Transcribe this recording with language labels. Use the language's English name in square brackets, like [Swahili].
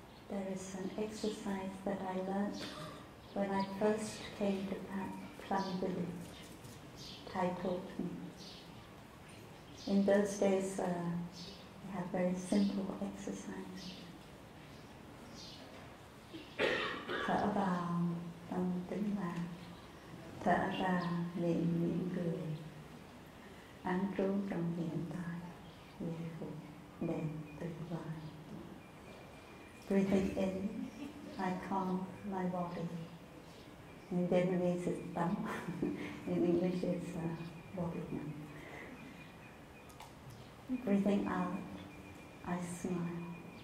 [English] It's an exercise that I learned when I first came to Plum Village, Thai Talking. In those days, we had very simple exercises. [Vietnamese] Thở vào tâm tĩnh lặng, thở ra niệm mỉm cười, an trú trong hiện tại, giây phút đẹp tuyệt vời. [English] Breathing in, I calm my body. In Vietnamese it's tâm. In English it's body. Breathing out, I smile.